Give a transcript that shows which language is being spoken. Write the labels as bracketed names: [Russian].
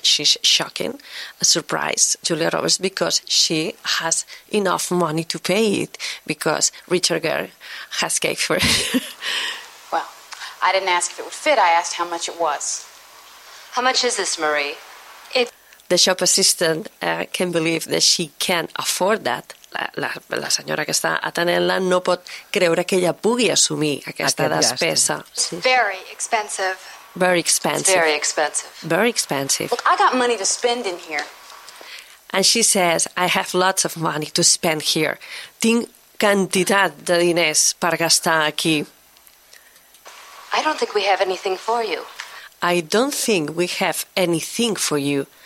[English] She's shocking, a surprise, Julia Roberts, because she has enough money to pay it, because Richard Gere has gave her. Well, I didn't ask if it would fit, I asked how much it was. How much is this, Marie? The shop assistant can believe that she can afford that. [Catalan] La senyora que està atenent-la no pot creure que ella pugui assumir aquesta despesa. [English] It's very expensive. Very expensive. It's very expensive. Very expensive. Look, I got money to spend in here. And she says, I have lots of money to spend here. [Catalan] Tinc quantitat de diners per gastar aquí. [English] I don't think we have anything for you. I don't think we have anything for you.